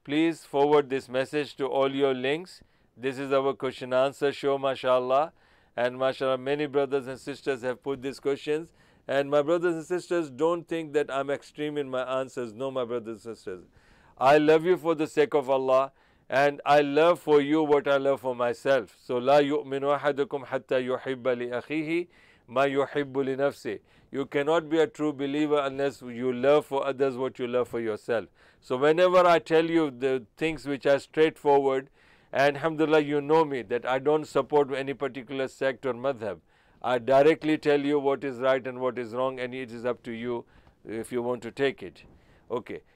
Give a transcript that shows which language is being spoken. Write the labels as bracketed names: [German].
[English] Please forward this message to all your links. This is our question answer show, mashallah. And mashallah, many brothers and sisters have put these questions. And my brothers and sisters, don't think that I'm extreme in my answers. No, my brothers and sisters. I love you for the sake of Allah. And I love for you what I love for myself. So, [Arabic] لا يؤمن أحدكم حتى يحب لأخيه ما يحب لنفسه. [English] You cannot be a true believer unless you love for others what you love for yourself. So whenever I tell you the things which are straightforward, and alhamdulillah, you know me, that I don't support any particular sect or madhab. I directly tell you what is right and what is wrong, and it is up to you if you want to take it. Okay.